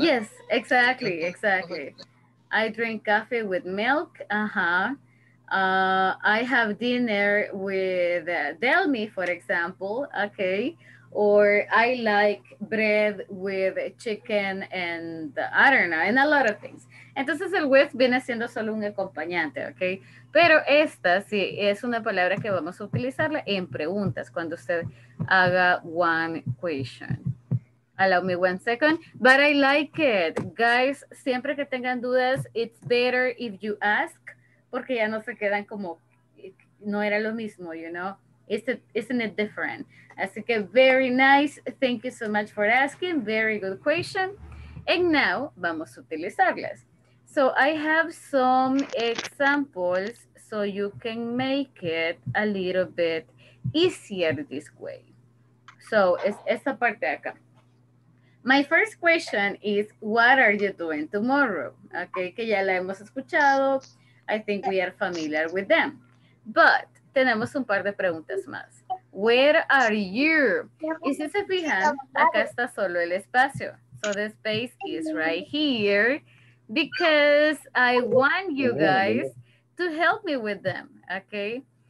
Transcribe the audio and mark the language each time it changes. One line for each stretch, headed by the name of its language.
English: Yes, exactly, exactly. I drink coffee with milk. Uh-huh. I have dinner with Delmi, for example. Okay. Or I like bread with chicken and I don't know, and a lot of things.
Spanish: Entonces el with viene siendo solo un acompañante, ¿ok? Pero esta sí es una palabra que vamos a utilizarla en preguntas cuando usted haga
English: one question. Allow me one second, but I like it.
Spanish: Guys, siempre que tengan dudas,
English: it's better if you ask,
Spanish: porque ya no se quedan como, no era lo mismo,
English: you know? Isn't it different?
Spanish: Así que
English: very nice. Thank you so much for asking. Very good question. And now,
Spanish: vamos a utilizarlas.
English: So I have some examples so you can make it a little bit easier this way. So
Spanish: es esta parte acá.
English: My first question is, what are you doing tomorrow? Okay,
Spanish: que ya la hemos escuchado.
English: I think we are familiar with them.
Spanish: But tenemos un par de preguntas más.
English: Where are you?
Spanish: Y si se fijan, acá está solo el espacio.
English: So the space is right here because I want you guys to help me with them, okay?